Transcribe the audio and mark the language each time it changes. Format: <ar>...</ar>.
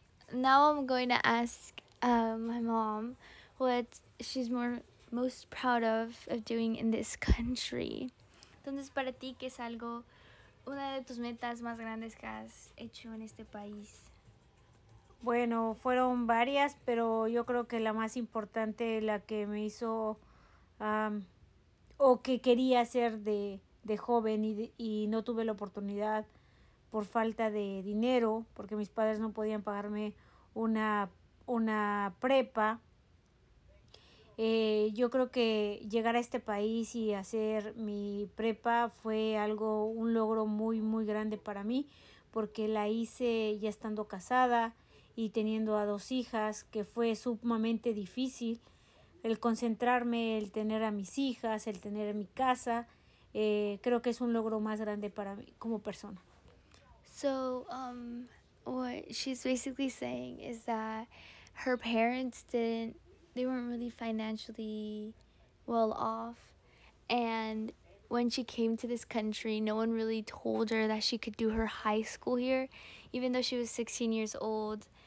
<en>Now I'm going to ask my mom what she's most proud of doing in this country.</en> <es>Entonces, para ti, ¿qué es algo, una de tus metas más grandes que has hecho en este país? Bueno, fueron varias, pero yo creo que la más importante, la que me hizo o que quería hacer de joven y no tuve la oportunidad por falta de dinero, porque mis padres no podían pagarme una prepa. Yo creo que llegar a este país y hacer mi prepa fue algo, un logro muy, muy grande para mí, porque la hice ya estando casada y teniendo a dos hijas, que fue sumamente difícil el concentrarme, el tener a mis hijas, el tener mi casa. Creo que es un logro más grande para mí como persona.</es> <en>So, what she's basically saying is that her parents didn't, they weren't really financially well off. And when she came to this country, no one really told her that she could do her high school here, even though she was 16 years old.</en>